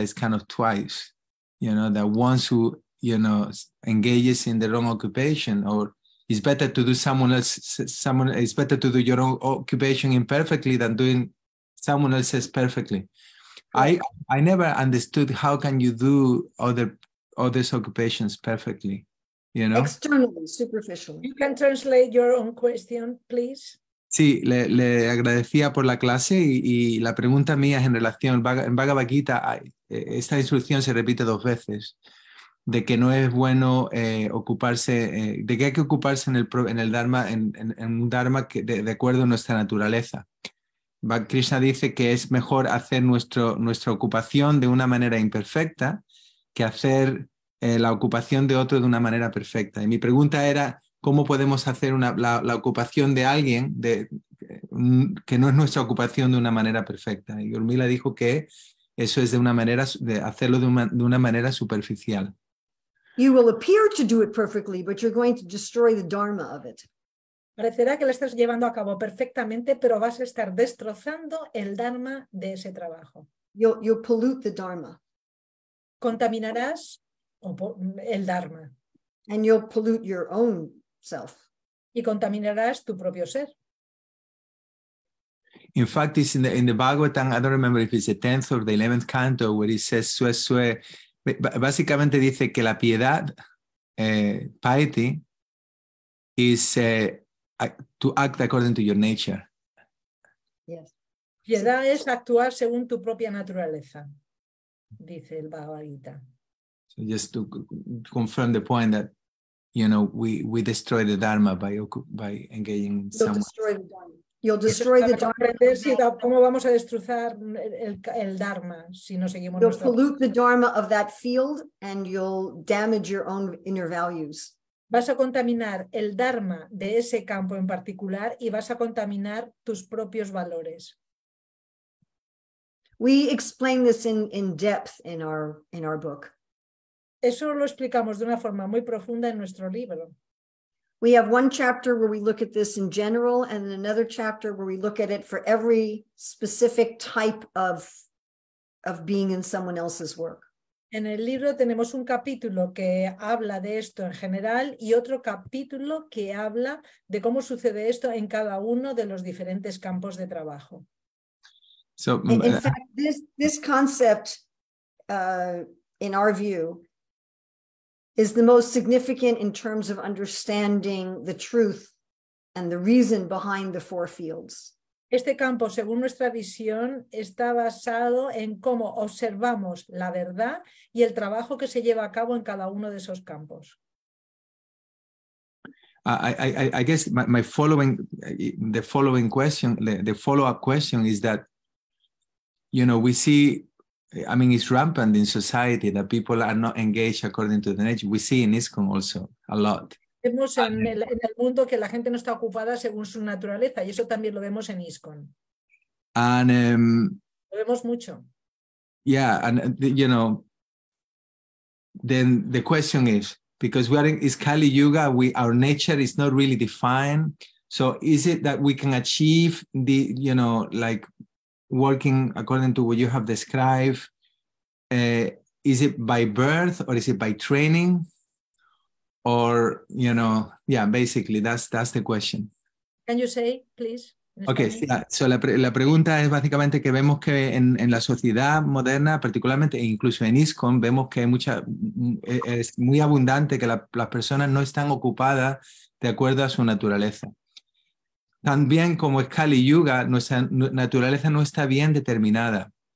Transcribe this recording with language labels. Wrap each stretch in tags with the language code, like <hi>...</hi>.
<en>It's kind of twice, you know, that once who you know engages in the wrong occupation, or it's better to do it's better to do your own occupation imperfectly than doing someone else's perfectly. I never understood how can you do other occupations perfectly, you know? Externally, superficially. You can translate your own question, please.</en> <es>Sí, le agradecía por la clase y la pregunta mía es en relación, en Bhagavad Gita, esta instrucción se repite dos veces, de que no es bueno ocuparse, de que hay que ocuparse en el Dharma, en un Dharma que de acuerdo a nuestra naturaleza. Krishna dice que es mejor hacer nuestra ocupación de una manera imperfecta que hacer la ocupación de otro de una manera perfecta. Y mi pregunta era, ¿cómo podemos hacer la ocupación de alguien que no es nuestra ocupación de una manera perfecta? Y Urmila dijo que eso es de una manera de hacerlo de una manera superficial.</es> <en>You will appear to do it perfectly, but you're going to destroy the dharma of it.</en> <es>Parecerá que lo estás llevando a cabo perfectamente, pero vas a estar destrozando el dharma de ese trabajo.</es> <en>You'll pollute the dharma.</en> <es>Contaminarás el dharma.</es> <en>And you'll pollute your own self.</en> <es>Y contaminarás tu propio ser.</es> <en>In fact, it's in the Bhagavatam, I don't remember if it's the 10th or the 11th canto, where it says, sue.</en> <es>Básicamente dice que la piedad,</es> <en>piety, is to act according to your nature. Yes.</en> <es>Piedad es actuar según tu propia naturaleza, dice el Bhagavad Gita.</es> <en>So just to confirm the point that, you know, we destroy the Dharma by engaging You'll someone. You'll destroy the dharma.</en> <es>¿Cómo vamos a destrozar el dharma si no seguimos?</es> <en>You'll pollute the dharma of that field and you'll damage your own inner values.</en> <es>Vas a contaminar el dharma de ese campo en particular y vas a contaminar tus propios valores.</es> <en>We explain this in depth in our book.</en> <es>Eso lo explicamos de una forma muy profunda en nuestro libro.</es> <en>We have one chapter where we look at this in general and another chapter where we look at it for every specific type of being in someone else's work.</en> <es>En el libro tenemos un capítulo que habla de esto en general y otro capítulo que habla de cómo sucede esto en cada uno de los diferentes campos de trabajo.</es> <en>So, in fact, this concept, in our view, is the most significant in terms of understanding the truth and the reason behind the four fields.</en> <es>Este campo, según nuestra visión, está basado en cómo observamos la verdad y el trabajo que se lleva a cabo en cada uno de esos campos.</es> <en>I guess my following, the following question, the follow-up question is that, you know, we see, I mean, it's rampant in society that people are not engaged according to the nature. We see in ISKCON also a lot.</en> <es>Vemos en el mundo que la gente no está ocupada según su naturaleza y eso también lo vemos en ISKCON.</es> <en>And,</en> <es>lo vemos mucho.</es> <en>Yeah, and you know, then the question is, because we are in Kali Yuga, our nature is not really defined. So is it that we can achieve the, you know, like, working according to what you have described, is it by birth or is it by training? Or, you know, yeah, basically, that's the question. Can you say, please? Okay, yeah.</en> <es>So la pregunta es básicamente que vemos que en la sociedad moderna, particularmente incluso en ISKCON, vemos que es muy abundante que las personas no están ocupadas de acuerdo a su naturaleza. También como es Kali Yuga, nuestra naturaleza no está bien determinada.</es>